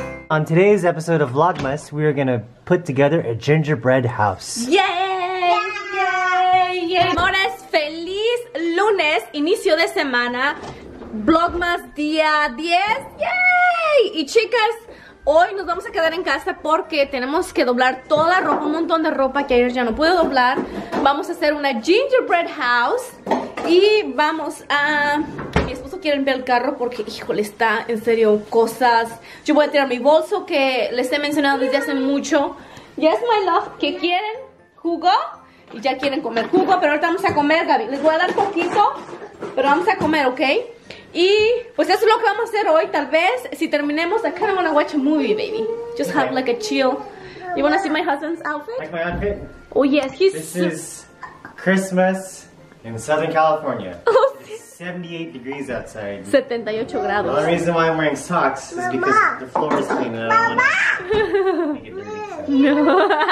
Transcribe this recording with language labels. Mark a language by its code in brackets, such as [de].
[en] On today's episode of Vlogmas, we are gonna put together a gingerbread house. Yay! Yay! Yay! [es] Amores, feliz lunes, inicio de semana, Vlogmas día 10. Yay! Y chicas, hoy nos vamos a quedar en casa porque tenemos que doblar toda la ropa, un montón de ropa que ayer ya no pude doblar. Vamos a hacer una gingerbread house y vamos a... Mi esposo quiere ver el carro porque, híjole, está en serio cosas. Yo voy a tirar mi bolso que les he mencionado desde hace mucho. [en] Yes, my love. [es] ¿Qué quieren? ¿Jugo? Y ya quieren comer jugo, pero ahorita vamos a comer, Gaby. Les voy a dar poquito, pero vamos a comer, ¿ok? Y pues eso es lo que vamos a hacer hoy. Tal vez si terminemos, [en] I kind of want to watch a movie, baby. Just have like a chill. You want to see my husband's outfit? Like my outfit? Oh, yes. He's... This is Christmas in Southern California. Oh, [es] 78 grados. [en] Well, the reason why I'm wearing socks is because the floor is clean and I don't want to make it. No.